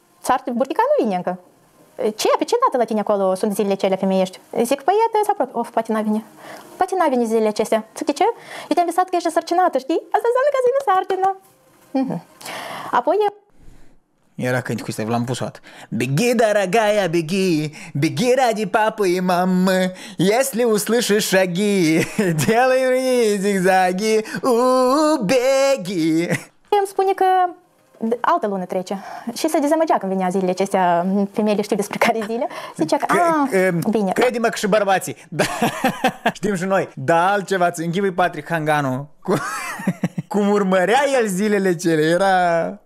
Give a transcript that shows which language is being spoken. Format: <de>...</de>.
<ro>Țar, burtica nu vine încă. Ce? Pe ce dată la tine acolo sunt zilele cele femeiești? Zic, păi iată, s-a apropiat. Of, poate n-a venit. Poate n-a venit zilele acestea. Zic, de ce? Eu te-am visat că ești sărcinată, știi? Asta înseamnă că zine sărcină. Mm-hmm. Apoi e... Era când cu Steve, l-am pus o dată.</ro> <ru>Беги, дорогая, беги, беги ради папы и мамы, если услышишь шаги, делай мне зигзаги, убеги.</ru> <ro>Îmi spune că altă lună trece. Și se dezamăgea când venea zilele acestea, femeile știu despre care zile. Zicea că, bine. Crede-mă că și bărbații. Da. Știm și noi. Da, altceva, îți închipui Patrick Hanganu. Cum urmărea el zilele cele, era...</ro>